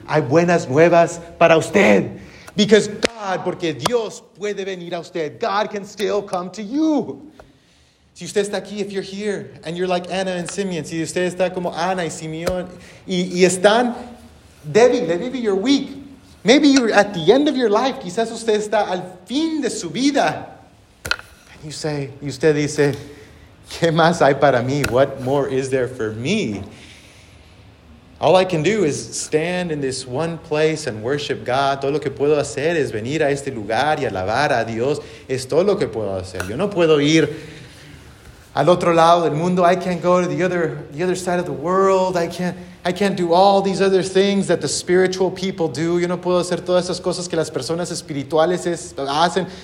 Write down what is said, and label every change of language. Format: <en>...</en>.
<es>Hay buenas nuevas para usted.</es> <en>Because God,</en> <es>porque Dios puede venir a usted.</es> <en>God can still come to you.</en> <es>Si usted está aquí,</es> <en>if you're here, and you're like Anna and Simeon,</en> <es>si usted está como Anna y Simeon, y están débiles,</es> <en>maybe you're weak. Maybe you're at the end of your life.</en> <es>Quizás usted está al fin de su vida.</es> <en>And you say,</en> <es>y usted dice, ¿qué más hay para mí?</es> <en>What more is there for me? All I can do is stand in this one place and worship God.</en> <es>Todo lo que puedo hacer es venir a este lugar y alabar a Dios. Es todo lo que puedo hacer. Yo no puedo ir al otro lado del mundo.</es> <en>I can't go to the other side of the world. I can't do all these other things that the spiritual people do.</en> <es>Yo no puedo hacer todas esas cosas que las personas espirituales hacen.</es>